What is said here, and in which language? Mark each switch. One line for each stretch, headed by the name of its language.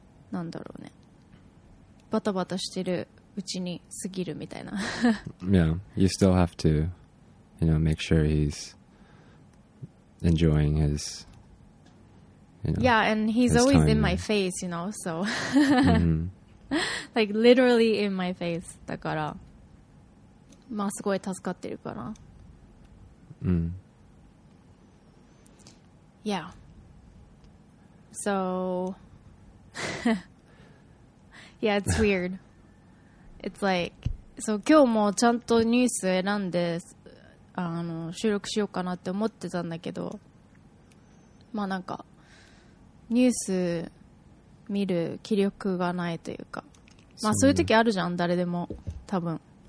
Japanese: なんだろうね、バタバタしてるうちに過ぎるみたいな。
English: Yeah, you still have to, you know, make sure he's enjoying his, you know, yeah, and he's always in my face, you know, so, 、mm-hmm. like literally in my face.
Japanese: だから、まあすごい助かってるかな。うん。
English: Yeah. So, yeah, it's weird. It's like, so,
Japanese: 今日もちゃんとニュース選んで、収録しようかなって思ってたんだけど、まあなんか、ニュース見る気力がないというか、まあそういう時あるじゃん、誰でも、多分。